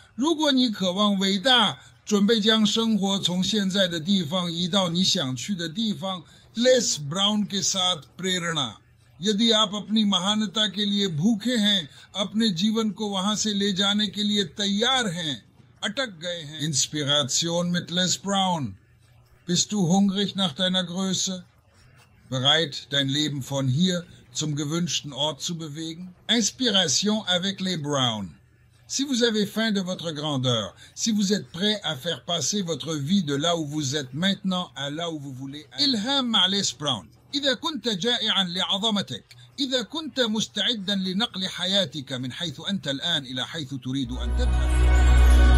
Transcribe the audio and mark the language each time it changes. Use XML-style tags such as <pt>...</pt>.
<zh>如果你渴望伟大, 准备将生活从现在的地方移到你想去的地方,</zh> <hi>Les Brown ke saath prerna. यदि आप अपनी महानता के लिए भूखे हैं, अपने जीवन को वहां से ले जाने के लिए तैयार हैं, अटक गए हैं.</hi> <de>Inspiration mit Les Brown. Bist du hungrig nach deiner Größe? Bereit, dein Leben von hier zum gewünschten Ort zu bewegen?</de> <fr>Inspiration avec Les Brown. Si vous avez faim de votre grandeur, si vous êtes prêt à faire passer votre vie de là où vous êtes maintenant à là où vous voulez aller. Ilham à Les Brown.</fr> <ar>إذا كنت جائعا لعظمتك إذا كنت مستعدا لنقل حياتك من حيث أنت الآن إلى حيث تريد أن تذهب</ar>